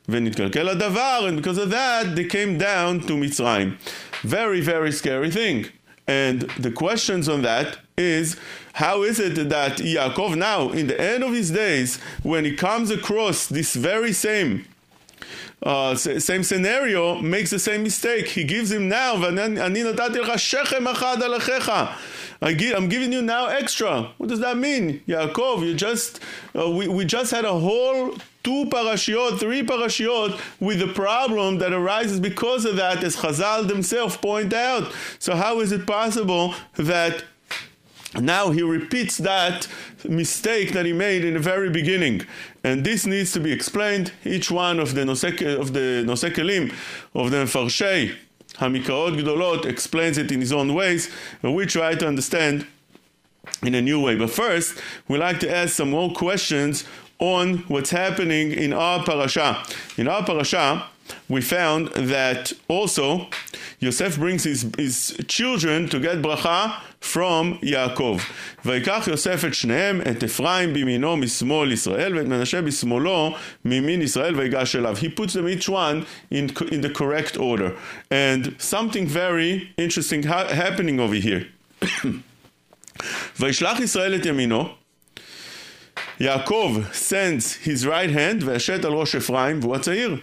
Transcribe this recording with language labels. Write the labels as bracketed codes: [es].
[he] ונתקלקל הדבר, [en] and because of that, they came down to Mitzrayim. Very, very scary thing. And the questions on that is, how is it that Yaakov now, in the end of his days, when he comes across this very same same scenario, makes the same mistake. He gives him now, [he] ואני נתתי לך שכם אחד על אחיך. [en] I'm giving you now extra. What does that mean? Yaakov, we just had a whole two parashiyot, three parashiyot with the problem that arises because of that, as Chazal themselves point out. So how is it possible that now he repeats that mistake that he made in the very beginning? And this needs to be explained. Each one of the Nosei Kelim, of the Mefarshei Hamikraot Gedolot, explains it in his own ways. We try to understand in a new way. But first, we like to ask some more questions on what's happening in our parasha. In our parasha, we found that also Yosef brings his children to get bracha from Yaakov. [he] ויקח יוסף את שניהם, את אפרים בימינו משמאל ישראל, ואת מנשה בשמאלו ממין ישראל ויגש אליו. [en] He puts them each one in the correct order. And something very interesting happening over here. [he] וישלח ישראל את ימינו, [en] Yaakov sends his right hand, [he] Veshet al Rosh Ephraim, Vuatzair.